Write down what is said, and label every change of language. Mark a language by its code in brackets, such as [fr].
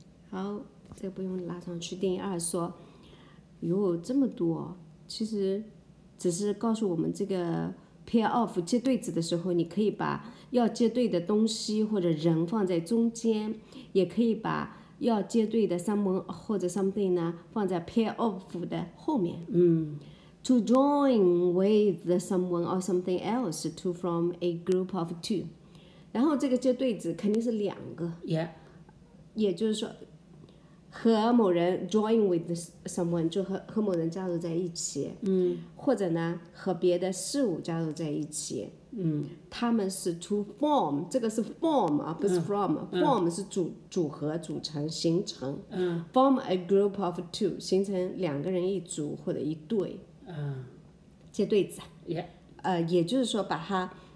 [zh] 好，这不用拉上去。定义二说，有这么多，其实只是告诉我们这个 pair off 接对子的时候，你可以把要接对的东西或者人放在中间，也可以把要接对的 someone 或者 something 呢放在 pair off 的后面。 [en] To join with someone or something else to form a group of two。 [zh] 然后这个接对子肯定是两个，也就是说，和某人 [en] join with someone [zh] 就和某人加入在一起，或者呢和别的事物加入在一起，他们是 to form，这个是 form 啊，不是 from，form 是组合、组成、形成， [en] form a group of two [zh] 形成两个人一组或者一对，接对子，也就是说把它。